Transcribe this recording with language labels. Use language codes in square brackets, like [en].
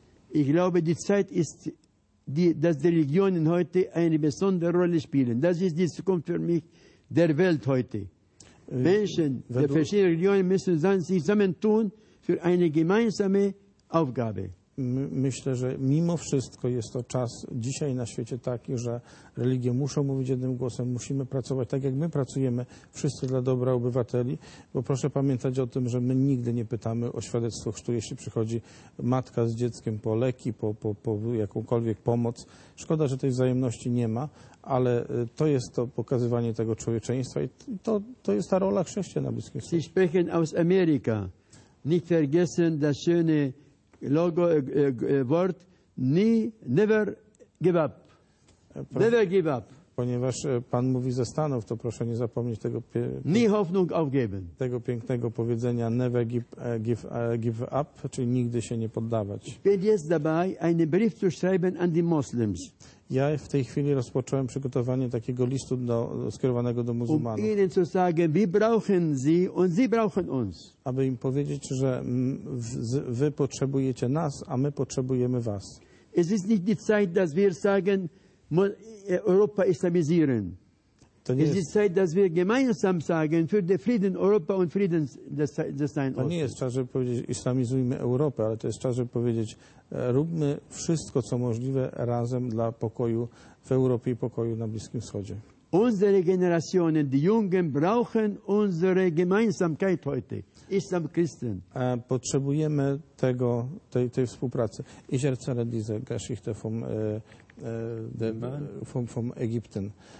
[de] Ich glaube, die Zeit ist, dass die Religionen heute eine besondere Rolle spielen. Das ist die Zukunft für mich der Welt heute. Menschen, die verschiedenen Religionen müssen sich zusammentun für eine gemeinsame Aufgabe. [pl] Myślę, że mimo wszystko jest to czas dzisiaj na świecie taki, że religie muszą mówić jednym głosem, musimy pracować tak, jak my pracujemy wszyscy dla dobra obywateli, bo proszę pamiętać o tym, że my nigdy nie pytamy o świadectwo chrztu, jeśli przychodzi matka z dzieckiem po leki, po jakąkolwiek pomoc. Szkoda, że tej wzajemności nie ma, ale to jest to pokazywanie tego człowieczeństwa i to jest ta rola chrześcijan na Bliskim Wschodzie. [de] Sie sprechen aus Amerika. Nicht vergessen das schöne logo, word, nie, [en] never give up. Never give up. [pl] Ponieważ Pan mówi ze Stanów, to proszę nie zapomnieć tego, [de] nie Hoffnung aufgeben. [pl] Tego pięknego powiedzenia [en] never give up, [pl] czyli nigdy się nie poddawać. [de] Bin jetzt dabei, einen Brief zu schreiben an die Muslims. [pl] Ja w tej chwili rozpocząłem przygotowanie takiego listu skierowanego do muzułmanów. [de] Ihnen zu sagen, wir brauchen sie und sie brauchen uns. [pl] Aby im powiedzieć, że wy potrzebujecie nas, a my potrzebujemy was. [de] Es ist nicht die Zeit, dass wir sagen, Europa islamisieren. [pl] To nie jest [de] czas, dass wir gemeinsam sagen für den Frieden Europa und Frieden des Nahen [pl] Ostens. To nie jest czas, żeby powiedzieć islamizujmy Europę, ale to jest czas, żeby powiedzieć róbmy wszystko, co możliwe razem dla pokoju w Europie i pokoju na Bliskim Wschodzie. [de] Unsere Generationen, die Jungen brauchen unsere Gemeinsamkeit heute. Islam Christen. [pl] Potrzebujemy tego, tej współpracy. [de] Ich erzähle diese Geschichte vom Ägypten.